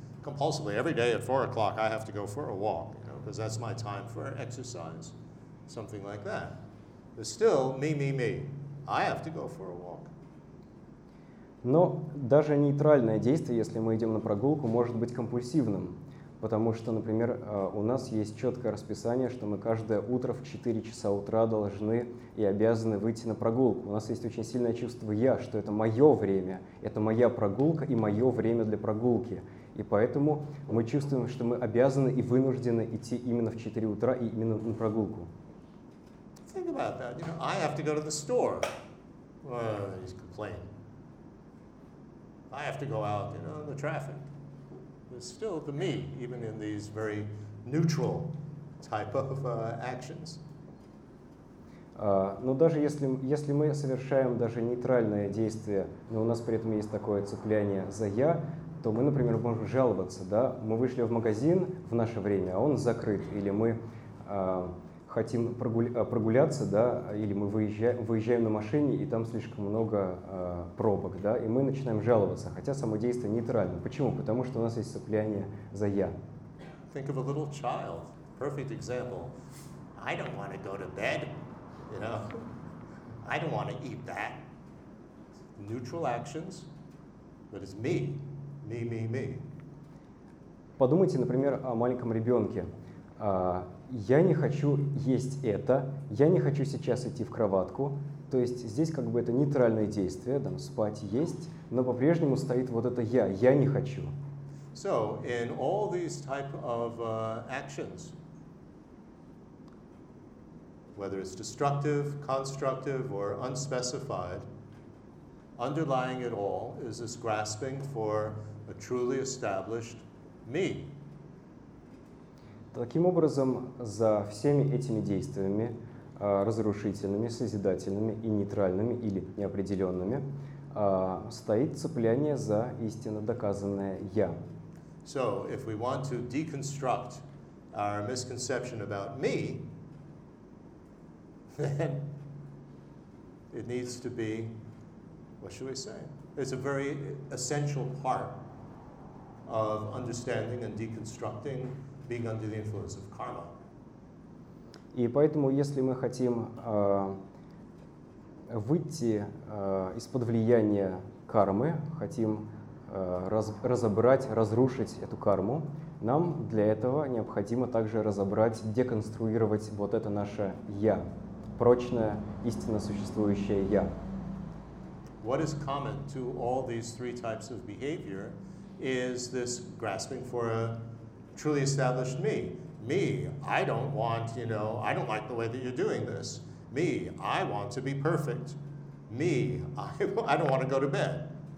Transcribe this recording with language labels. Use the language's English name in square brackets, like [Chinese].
[English] Because that's my time for exercise, something like that. But still, me, me, me. I have to go for a walk. [Russian] Но даже нейтральное действие, если мы идем на прогулку, может быть компульсивным. Потому что, например, у нас есть четкое расписание, что мы каждое утро в 4 часа утра должны и обязаны выйти на прогулку. У нас есть очень сильное чувство «я», что это мое время, это моя прогулка и мое время для прогулки. И поэтому мы чувствуем, что мы обязаны и вынуждены идти именно в 4 утра и именно на прогулку. [English] Think about that. You know, I have to go to the store. He's complaining. I have to go out, you know, in the traffic. It's still the me, even in these very neutral type of actions. [Russian] Но даже если мы совершаем даже нейтральное действие, но у нас при этом есть такое цепляние за я, то мы, например, можем жаловаться, да? Мы вышли в магазин в наше время, а он закрыт, или мы хотим прогуляться, да, или мы выезжаем на машине, и там слишком много пробок, да, и мы начинаем жаловаться, хотя само действие нейтрально. Почему? Потому что у нас есть цепляние за «я». [English] Think of a little child. Perfect example. I don't want to go to bed, you know. I don't want to eat that. Neutral actions, but it's me. Me, me, me. [Russian] Подумайте, например, о маленьком ребенке. Я не хочу есть это, я не хочу сейчас идти в кроватку. То есть здесь как бы это нейтральное действие, там спать, есть, но по-прежнему стоит вот это я не хочу. [English] So, in all these type of actions, whether it's destructive, constructive, or unspecified, underlying it all is this grasping for a truly established me. [Russian] Таким образом, за всеми этими действиями, разрушительными, созидательными и нейтральными или неопределенными, стоит цепляние за истинно доказанное «я». [English] So, if we want to deconstruct our misconception about me, then it needs to be, what should we say? It's a very essential part of understanding and deconstructing being under the influence of karma. [Russian] И поэтому, если мы хотим выйти из-под влияния кармы, хотим разобрать, разрушить эту карму, нам для этого необходимо также разобрать, деконструировать вот это наше «я», прочное, истинно существующее «я». [English] What is common to all these three types of behavior is this grasping for a truly established me. Me, I don't want, you know, I don't like the way that you're doing this. Me, I want to be perfect. Me, I don't want to go to bed.